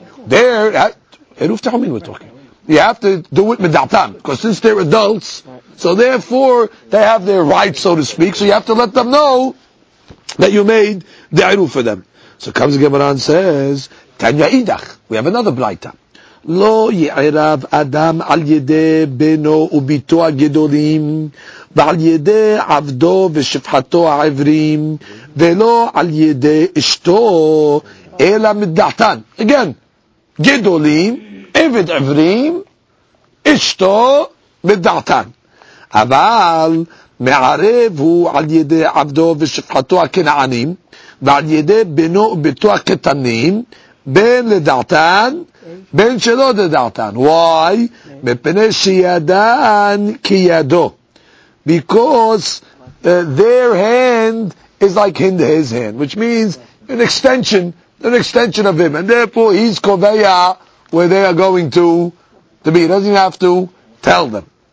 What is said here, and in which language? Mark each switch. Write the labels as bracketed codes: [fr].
[en] There, iruf tachomin we're talking. You have to do it middatam, because since they're adults, so therefore, they have their rights, so to speak, so you have to let them know that you made the iruf for them. So comes Gemara and says, Tanya idach, we have another blaita. [he] Lo ye'irav adam al yedeh beno ubito ha'gedolim, ועל ידי עבדו ושפחתו העברים, ולא על ידי אשתו, אלא מדעתן. [en] Again, [he] גדולים, עבד עברים, אשתו, מדעתן. אבל, מערב הוא על ידי עבדו ושפחתו הכנענים, ועל ידי בנו וביתו הקטנים, בין לדעתן, בין שלא לדעתן. [en] Why? [he] מפני שידן כידו. [en] Because their hand is like his hand, which means an extension of him. And therefore, he's koveya where they are going to be. He doesn't even have to tell them.